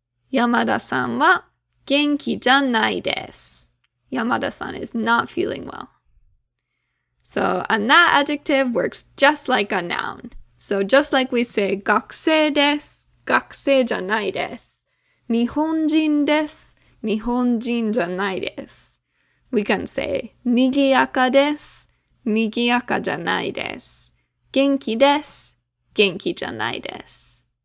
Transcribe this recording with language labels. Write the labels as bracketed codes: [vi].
[ja] 山田さんは元気じゃないです。 [en] Yamada-san is not feeling well. So, and that adjective works just like a noun. So, just like we say, [ja] 学生 です, 学生じゃないです. 日本人 です, 日本人じゃないです. [en] We can say, [ja] にぎやかです, にぎやかじゃないです. 元気 です, 元気じゃないです.